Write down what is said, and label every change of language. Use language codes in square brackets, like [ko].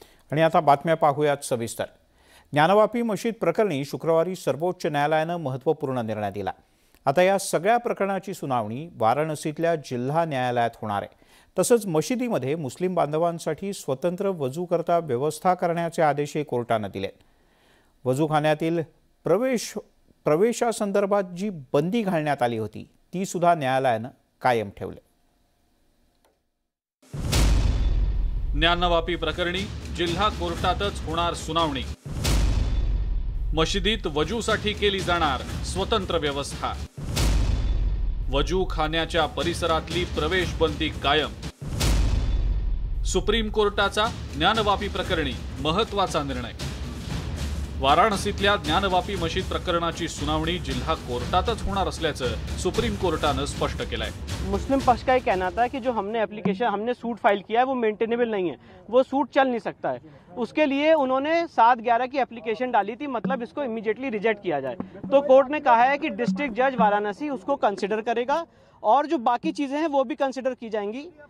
[mr] आणि आता बातम्या पाहूयात सविस्तर। ज्ञानवापी मशीद प्रकरणी शुक्रवारी सर्वोच्च न्यायालयानं महत्त्वपूर्ण निर्णय दिला। आता या सगळ्या प्रकरणाची सुनावणी वाराणसीतल्या जिल्हा न्यायालयात होणार आहे। तसंच मशिदीमध्ये मुस्लिम बांधवांसाठी स्वतंत्र वजूकरता व्यवस्था करण्याचे आदेशही कोर्टानं दिले। वजूखान्यातील प्रवेशासंदर्भात जी बंदी घालण्यात आली होती ती सुद्धा न्यायालयानं कायम ठेवली। ज्ञानवापी प्रकरणी जिल्हा कोर्टातच होणार सुनावणी। मशिदीत वजूसाठी केली जाणार स्वतंत्र व्यवस्था। वजूखान्याच्या परिसरातली प्रवेश बंदी कायम। सुप्रीम कोर्टाचा ज्ञानवापी प्रकरणी महत्त्वाचा निर्णय। वाराणसीतल्या ज्ञानवापी मशीद प्रकरणाची सुनावणी जिल्हा कोर्टातच होणार असल्याचं सुप्रीम कोर्टानं स्पष्ट केलंय। [hi] मुस्लिम पक्ष का ये कहना था कि जो हमने एप्लीकेशन हमने सूट फाइल किया है वो मेंटेनेबल नहीं है, वो सूट चल नहीं सकता है। उसके लिए उन्होंने 7/11 की एप्लीकेशन डाली थी, मतलब इसको इमीडिएटली रिजेक्ट किया जाए। तो कोर्ट ने कहा है कि डिस्ट्रिक्ट जज वाराणसी उसको कंसिडर करेगा और जो बाकी चीज़ें हैं वो भी कंसिडर की जाएंगी।